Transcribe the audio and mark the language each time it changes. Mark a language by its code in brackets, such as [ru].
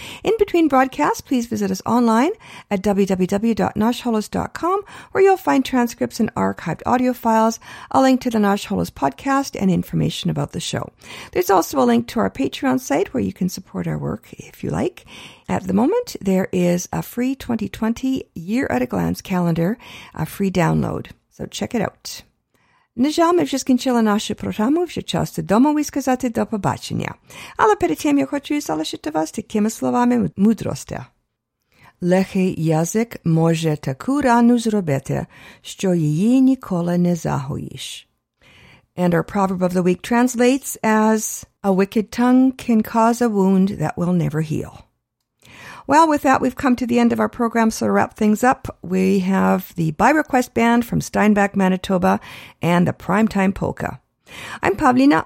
[en] In between broadcasts, please visit us online at www.nashholos.com, where you'll find transcripts and archived audio files, a link to the Nash Holos podcast, and information about the show. There's also a link to our Patreon site where you can support our work if you like. At the moment, there is a free 2020 Year at a Glance calendar, a free download. So check it out. [uk] На жаль, ми вже скінчили нашу програму, вже час додому і сказати до побачення. Але перед тим я хочу залишити вас такими словами мудрості. Лехий язик може таку рану зробити, що її ніколи не загоїш. [en] And our proverb of the week translates as, a wicked tongue can cause a wound that will never heal. Well, with that, we've come to the end of our program, so to wrap things up, we have the By Request Band from Steinbeck, Manitoba, and the Primetime Polka. I'm Pavlina.